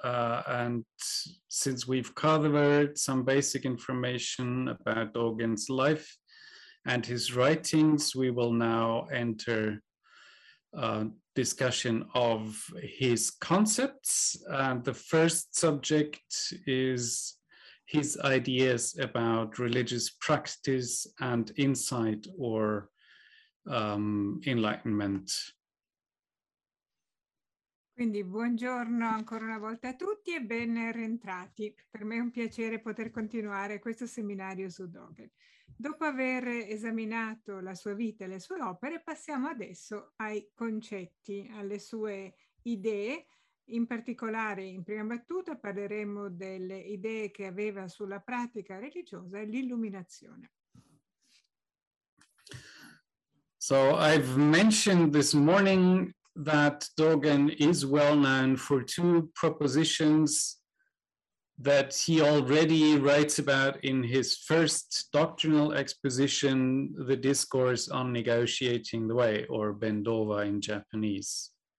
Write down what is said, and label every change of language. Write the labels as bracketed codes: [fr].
[en] And since we've covered some basic information about Dogen's life and his writings, we will now enter a discussion of his concepts. And the first subject is his ideas about religious practice and insight or enlightenment. [it] Quindi buongiorno ancora una volta a tutti e ben rientrati. Per me è un piacere poter continuare questo seminario su Dogen. Dopo aver esaminato la sua vita e le sue opere, passiamo adesso ai concetti, alle sue idee. In particolare, in prima battuta, parleremo delle idee che aveva sulla pratica religiosa e l'illuminazione. [en] So I've mentioned this morning that Dogen is well known for two propositions that he already writes about in his first doctrinal exposition, the Discourse on Negotiating the Way, or Bendova in Japanese.